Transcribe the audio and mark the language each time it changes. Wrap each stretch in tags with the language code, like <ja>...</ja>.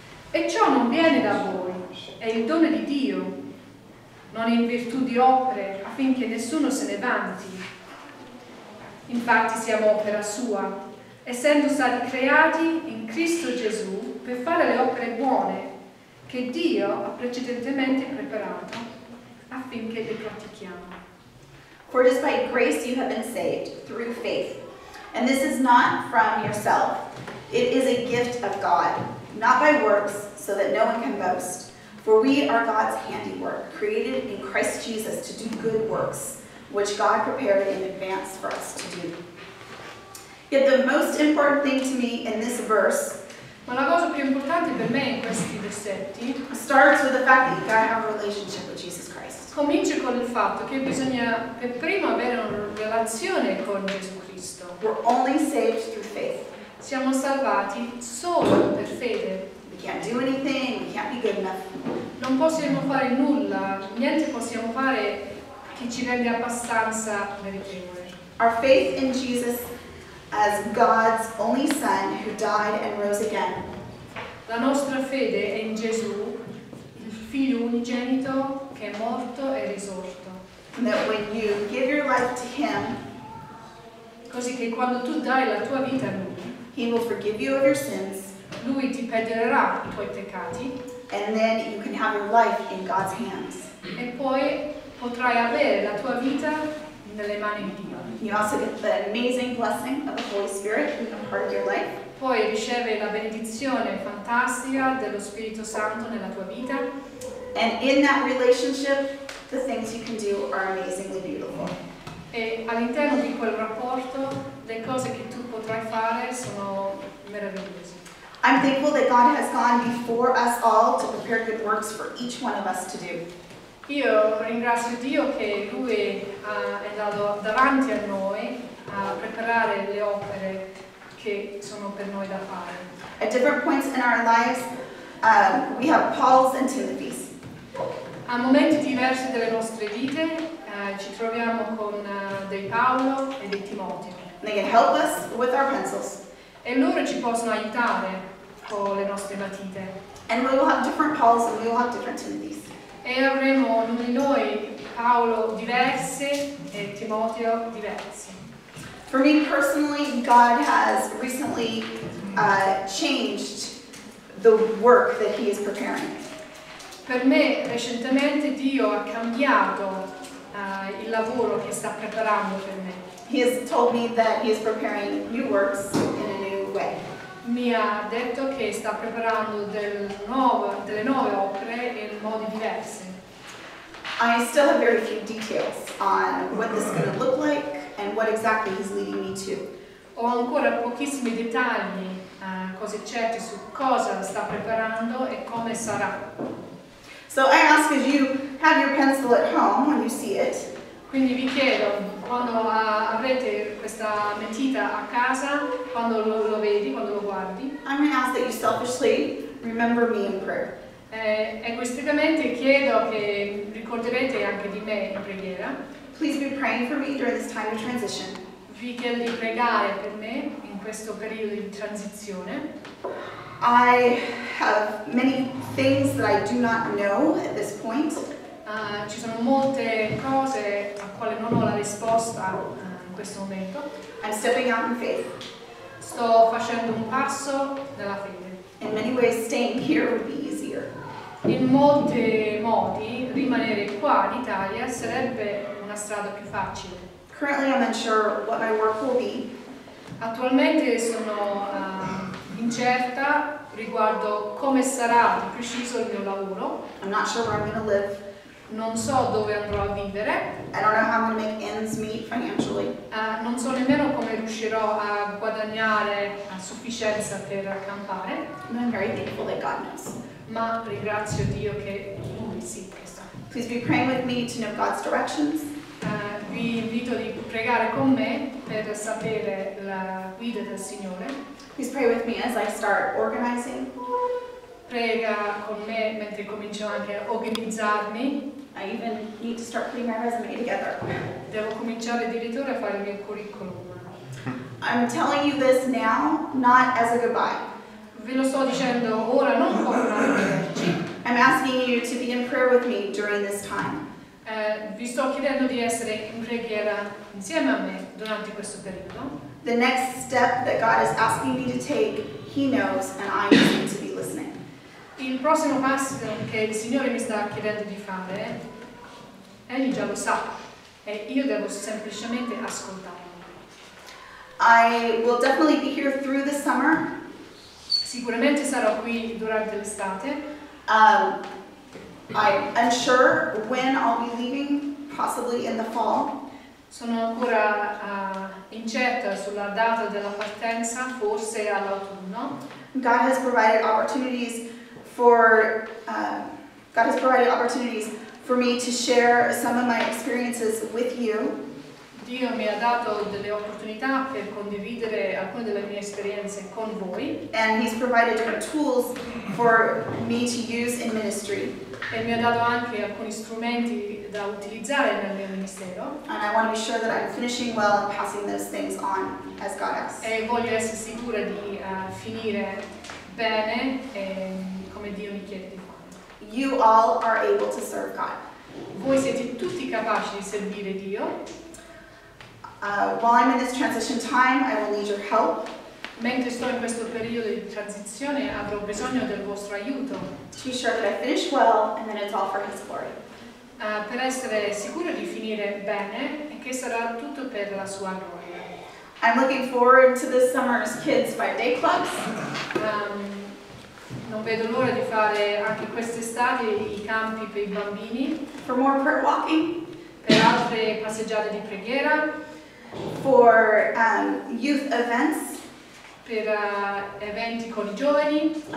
<it>E ciò non viene da voi, è il dono di Dio, non in virtù di opere, affinché nessuno se ne vanti. Infatti siamo opera sua, essendo stati creati in Cristo Gesù per fare le opere buone che Dio ha precedentemente preparato affinché le pratichiamo.</it> <en>For it is by grace you have been saved, through faith. And this is not from yourself. It is a gift of God, not by works, so that no one can boast. For we are God's handiwork, created in Christ Jesus to do good works, which God prepared in advance for us to do. Yet the most important thing to me in this verse,</en> <it>ma la cosa più importante per me in questi versetti,</it> <en>starts with the fact that you gotta have a relationship with Jesus Christ.</en> <it>Comincia con il fatto che bisogna per prima avere una relazione con Gesù Cristo.</it> <en>We're only saved through faith.</en> <it>Siamo salvati solo per fede.</it> <en>Can't do anything, we can't be good enough.</en> <it>Non possiamo fare nulla, niente possiamo fare che ci rende abbastanza meritevole.</it> <en>Our faith in Jesus as God's only Son who died and rose again.</en> <it>La nostra fede è in Gesù, il Figlio unigenito che è morto e risorto.</it> <en>And that when you give your life to Him,</en> <it>così che quando tu dai la tua vita a Lui,</it> <en>He will forgive you of your sins.</en> <it>Lui ti perdonerà i tuoi peccati.</it> <en>And then you can have your life in God's hands.</en> <it>E poi potrai avere la tua vita nelle mani di Dio.</it> <en>You also get the amazing blessing of the Holy Spirit in the part of your life.</en> <it>Poi ricevi la benedizione fantastica dello Spirito Santo nella tua vita.</it> <en>And in that relationship, the things you can do are amazingly beautiful.</en> <it>E all'interno di quel rapporto, le cose che tu potrai fare sono meravigliose.</it> <en>I'm thankful that God has gone before us all to prepare good works for each one of us to do.</en> <it>Io ringrazio Dio che Lui è andato davanti a noi a preparare le opere che sono per noi da fare.</it> <en>At different points in our lives, we have Paul's and Timothy's.</en> <it>A momenti diversi delle nostre vite, ci troviamo con dei Paolo e dei Timoteo.</it> <en>They can help us with our pencils.</en> <it>E loro ci possono aiutare con le nostre matite.</it> <en>And we will have different Pauls and we will have different Timothys.</en> <it>E avremo ognuno di noi Paolo diversi e Timoteo diversi.</it> <en>For me personally, God has recently changed the work that He is preparing.</en> <it>Per me recentemente Dio ha cambiato il lavoro che sta preparando per me.</it> <en>He has told me that He is preparing new works in a new way.</en> <it>Mi ha detto che sta preparando delle nuove opere in modi diversi.</it> <en>I still have very few details on what this is going to look like and what exactly he's leading me to.</en> <it>Ho ancora pochissimi dettagli, cose certe su cosa sta preparando e come sarà.</it> <en>So I ask if you have your pencil at home when you see it.</en> <it>Quindi vi chiedo, quando avrete questa matita a casa, quando lo vedi, quando lo guardi.</it> <en>I'm going to ask that you selfishly remember me in prayer.</en> <it>Egoisticamente chiedo che ricorderete anche di me in preghiera.</it> <en>Please be praying for me during this time of transition.</en> <it>Vi chiedo di pregare per me in questo periodo di transizione.</it> <en>I have many things that I do not know at this point.</en> <it>Ci sono molte cose a quale non ho la risposta in questo momento.</it> <en>I'm stepping out in faith.</en> <it>Sto facendo un passo nella fede.</it> <en>In many ways, staying here would be easier.</en> <it>In molti modi, rimanere qua in Italia sarebbe una strada più facile.</it> <en>Currently, I'm unsure what my work will be.</en> <it>Attualmente sono incerta riguardo come sarà di preciso il mio lavoro.</it> <en>I'm not sure where I'm going to live.</en> <it>Non so dove andrò a vivere.</it> <en>I don't know how I'm going to make ends meet financially.</en> <it>Non so nemmeno come riuscirò a guadagnare a sufficienza per campare.</it> <en>But I'm very thankful that God knows.</en> <it>Ma ringrazio Dio che lui sì che sa.</it> <en>Please be praying with me to know God's directions.</en> <it>Vi invito di pregare con me per sapere la guida del Signore.</it> <en>Please pray with me as I start organizing.</en> <it>Prega con me mentre comincio anche a organizzarmi.</it> <en>I even need to start putting my resume together.</en> <it>Devo cominciare addirittura a fare il mio curriculum.</it> <en>I'm telling you this now, not as a goodbye.</en> <it>Ve lo sto dicendo ora, non come un arrivederci.</it> <en>I'm asking you to be in prayer with me during this time.</en> <it>Vi sto chiedendo di essere in preghiera insieme a me durante questo periodo.</it> <en>The next step that God is asking me to take, He knows, and I need to be listening.</en> <it>Il prossimo passo che il Signore mi sta chiedendo di fare, Egli già lo sa, e io devo semplicemente ascoltarlo.</it> <en>I will definitely be here through the summer.</en> <it>Sicuramente sarò qui durante l'estate.</it> <en>I'm unsure when I'll be leaving, possibly in the fall.</en> <it>Sono ancora incerta sulla data della partenza, forse all'autunno.</it> <en>God has provided opportunities for me to share some of my experiences with you.</en> <it>Dio mi ha dato delle opportunità per condividere alcune delle mie esperienze con voi.</it> <en>And He's provided different tools for me to use in ministry.</en> <it>E mi ha dato anche alcuni strumenti da utilizzare nel mio ministero.</it> <en>And I want to be sure that I'm finishing well and passing those things on as God asks.</en> <it>E voglio essere sicura di finire bene e come Dio mi chiede di fare.</it> <en>You all are able to serve God.</en> <it>Voi siete tutti capaci di servire Dio.</it> <en>While I'm in this transition time, I will need your help.</en> <it>Mentre sto in questo periodo di transizione, avrò bisogno del vostro aiuto.</it> <en>To be sure that I finish well, and then it's all for His glory.</en> <it>Per essere sicuro di finire bene, e che sarà tutto per la sua gloria.</it> <en>I'm looking forward to this summer's kids' five day clubs.</en> <it>Non vedo l'ora di fare anche quest'estate i campi per i bambini.</it> <en>For more prayer walking.</en> <it>Per altre passeggiate di preghiera.</it> <en>For youth events,</en> <it>per eventi con I giovani,</it>